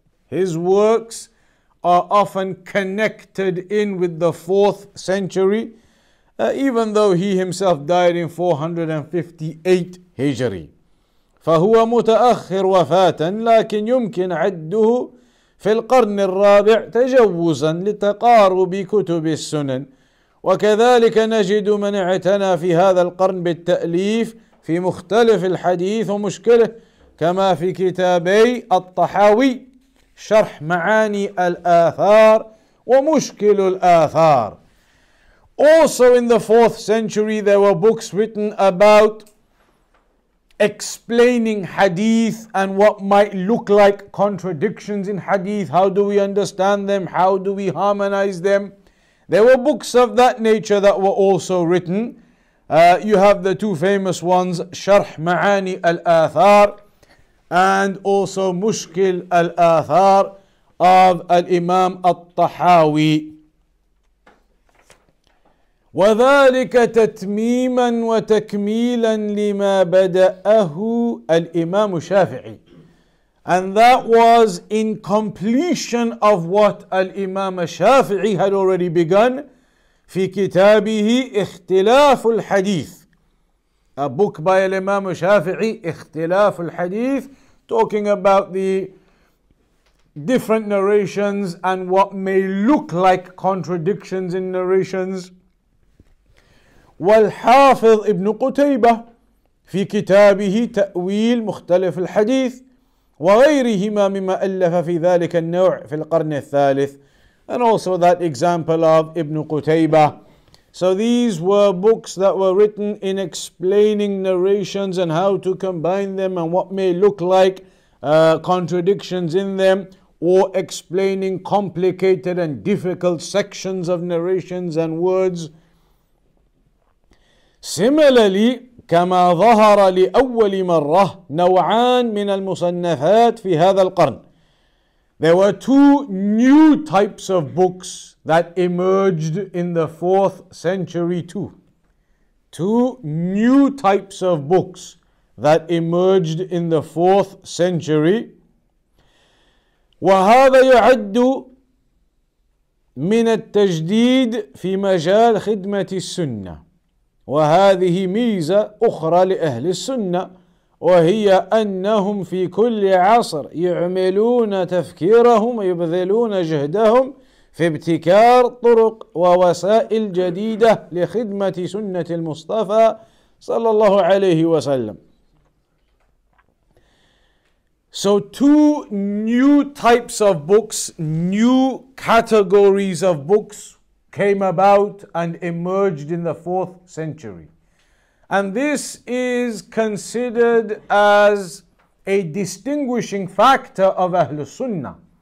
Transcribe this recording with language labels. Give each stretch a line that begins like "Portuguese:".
English: His works are often connected in with the 4th century, even though he himself died in 458 Hijri.
Arabic: فَهُوَ مُتَأَخِّرْ وَفَاتًا لَكِنْ يُمْكِنْ عَدُّهُ في القرن الرابع تجوزا لتقارب كتب السنن. وكذلك نجد من اعتنى في هذا القرن بالتأليف في مختلف الحديث ومشكله، كما في كتابي الطحاوي شرح معاني الآثار ومشكل الآثار.
English: Also in the 4th century there were books written about explaining hadith and what might look like contradictions in hadith. How do we understand them? How do we harmonize them? There were books of that nature that were also written. You have the two famous ones, Sharh Ma'ani al-Athar and also Mushkil al-Athar of al-Imam al-Tahawi.
Arabic: وذلك تتميما وتكميلا لما بدأه الإمام الشافعي.
English: And that was in completion of what al-Imam al-Shafi'i had already begun
Arabic: في كتابه اختلاف الحديث.
English: A book by al-Imam al-Shafi'i, اختلاف الحديث, talking about the different narrations and what may look like contradictions in narrations.
Arabic: والحافظ ابن قتيبة في كتابه تأويل مختلف الحديث وغيرهما مما ألف في ذلك النوع في القرن الثالث.
English: And also that example of ابن قتيبة. So these were books that were written in explaining narrations and how to combine them and what may look like contradictions in them, or explaining complicated and difficult sections of narrations and words. Similarly,
Arabic: كما ظهر لأول مرة نوعان من المصنفات في هذا القرن.
English: There were two new types of books that emerged in the 4th century too. Two new types of books that emerged in the 4th century.
Arabic: وهذا يعد من التجديد في مجال خدمة السنة. وهذه ميزة أخرى لأهل السنة، وهي أنهم في كل عصر يعملون تفكيرهم ويبذلون جهدهم في ابتكار طرق ووسائل جديدة لخدمة سنة المصطفى صلى الله عليه وسلم.
English: So two new types of books, new categories of books came about and emerged in the 4th century. And this is considered as a distinguishing factor of Ahlus Sunnah.